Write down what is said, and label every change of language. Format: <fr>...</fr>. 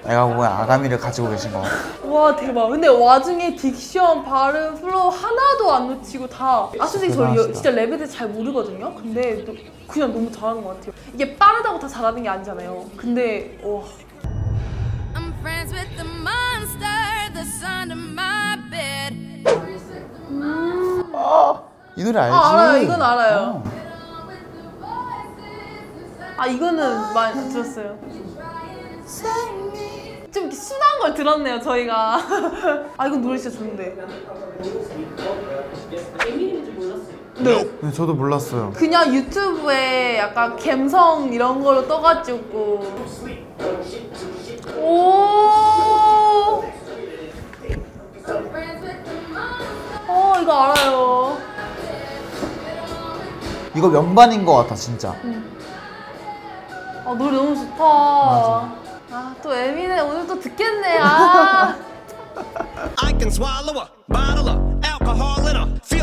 <ko>내가 보면 아가미를 가지고 계신 거 같아. 와 대박. 근데 와중에 딕션, 발음, 플로우 하나도 안 놓치고 다. 아 솔직히 저 진짜 랩에 대해 잘 모르거든요. 근데 그냥 너무 잘하는 거 같아요. 이게 빠르다고 다 잘하는 게 아니잖아요. 근데 와.</ko> <en>I'm friends with the monster, the sun in my bed.</en> <ko>아, 이 노래 알지? 아 알아요. 이건 알아요. 아 이거는 많이 들었어요. 좀 순한 걸 들었네요 저희가. 아 이건 노래 진짜 좋은데. 네 저도 몰랐어요. 그냥 유튜브에 약간 감성 이런 걸로 떠가지고. 오. 어 이거 알아요. 이거 명반인 것 같아 진짜. 아 노래 너무 좋다. 맞아. 아, 또 에미넴 오늘 또 듣겠네.</ko> <en>아. I can swallow a bottle of alcohol and I feel</en>